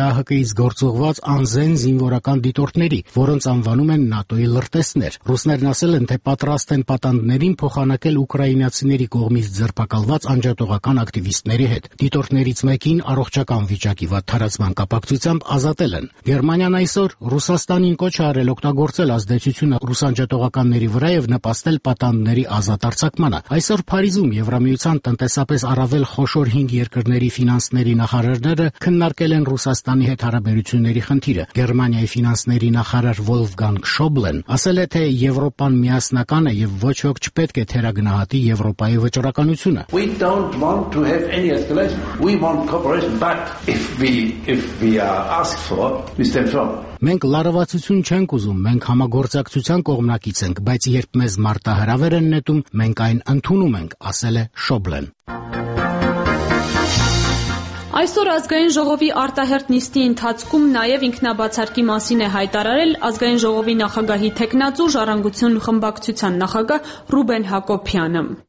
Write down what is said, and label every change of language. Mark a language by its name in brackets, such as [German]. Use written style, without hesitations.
[Armenian] ԵԱՀԿ-ից գործողված անզեն զինվորական դիտորդների, որոնց անվանում են ՆԱՏՕ-ի լրտեսներ։ Ռուսներն ասել են, թե պատրաստ են պատանդներին փոխանակել ուկրաինացիների կողմից ձերբակալված անջատողական ակտիվիստների հետ։ Դիտորդներից մեկին առողջական վիճակի վատթարացման կապակցությամբ ազատել են։ Գերմանիան այսօր Ռուսաստանին կոչ արել օգտագործել ազդեցությունը ռուսանջատողականների վրա եւ նպաստել պատանդների ազատ արձակմանը։ Այսօր Փարիզում Եվրամիության տնտեսապես առավել խոշոր 5 երկրների սեկտորների ֆինանսների նախարարները քննարկել են Ռուսաստանի հետ հարաբերությունների խնդիրը։ Գերմանիայի ֆինանսների նախարար Վոլֆգանգ Շոբլեն ասել է, թե Եվրոպան միասնական է եւ ոչ ոք չպետք է թերագնահատի Եվրոպայի վճռականությունը։ [English] We don't want to have any escalation. We want cooperation, but if we are asked for, we stand firm. [Armenian] Մենք լարվածություն չենք ուզում, մենք համագործակցության կողմնակից ենք, բայց երբ մեզ մարտահրավեր են նետում, մենք այն ընդունում ենք, ասել է Շոբլեն։ Այսօր ազգային ժողովի արտահերտ նիստի ընթացքում նաև ինքնաբացարկի մասին է հայտարարել ազգային ժողովի նախագահի թեկնածու ժառանգություն խմբակցության նախագահ Ռուբեն Հակոբյանը։